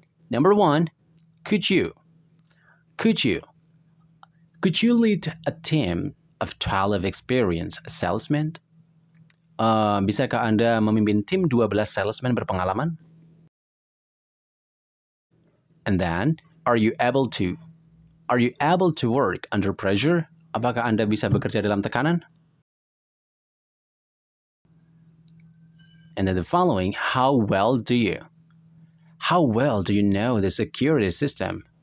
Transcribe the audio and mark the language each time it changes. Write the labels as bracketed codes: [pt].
[en] Number one, could you lead a team of 12 experienced salesmen? [id] Bisakah Anda memimpin tim 12 salesman berpengalaman? [en] And then, are you able to work under pressure? [id] Apakah Anda bisa bekerja dalam tekanan? [en] And then the following, how well do you know the security system?